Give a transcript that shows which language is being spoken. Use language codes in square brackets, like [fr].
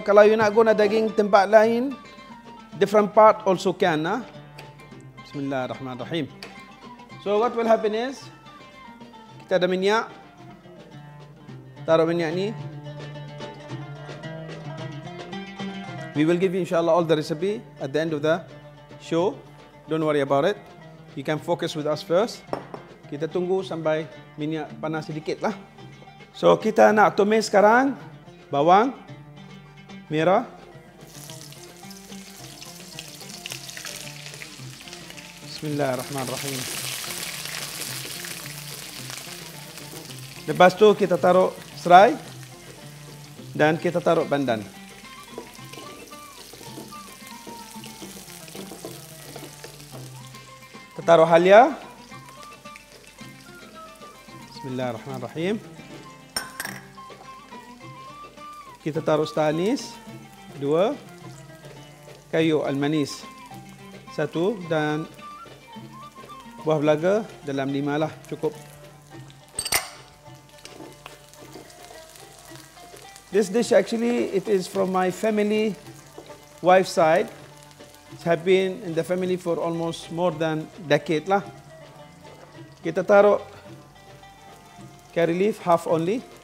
[ms] Kalau [en] you [ms] nak guna daging tempat lain, [en] different part also can. [ms] Nah? [ar] Bismillahirrahmanirrahim. [en] So what will happen is, [ms] kita ada minyak. Taruh minyak ni. [en] We will give you insyaAllah all the recipe at the end of the show. Don't worry about it. You can focus with us first. [ms] Kita tunggu sampai minyak panas sedikit lah. So kita nak tumis sekarang bawang merah. [ar] Bismillahirrahmanirrahim. [ms] Lepas tu kita taruh serai dan kita taruh pandan. Kita taruh halia. [ar] Bismillahirrahmanirrahim. [ms] Kita taruh star anise, 2. Kayu almanis, 1. Dan buah belaga dalam 5 lah, cukup. [en] This dish actually, it is from my family wife's side. It has been in the family for almost more than decade lah. [ms] Kita taruh [en] curry leaf half only.